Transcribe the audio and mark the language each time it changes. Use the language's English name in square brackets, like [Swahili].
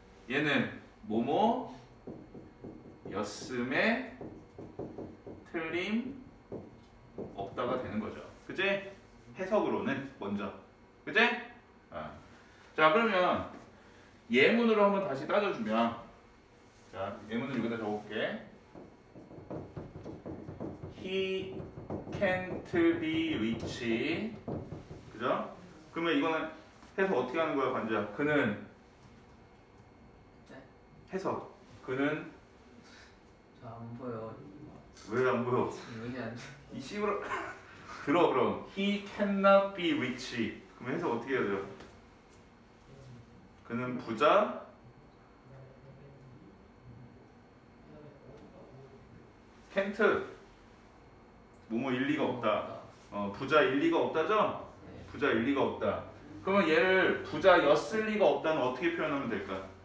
[Korean] 얘는 뭐뭐 였음에 틀림 없다가 되는 거죠, 그지? 해석으로는 먼저, 그지? 자, 그러면 예문으로 한번 다시 따져주면, 자, 예문을 여기다 적어볼게. [English] He can't be rich, [Korean] 그죠? 그러면 이거는 해석 어떻게 하는 거야, 관자? 그는 해석. 그는 저 안 보여. 왜 안 보여? 여기 안. 이 씨부러. 들어, 그럼 [English] he cannot be rich. [Korean] 그러면 해석 어떻게 해야 돼요? 그는 부자 can't 뭐뭐 일리가 없다. 부자 일리가 없다죠? 부자 일리가 없다. 그러면 얘를 부자였을 리가 없다는 어떻게 표현하면 될까?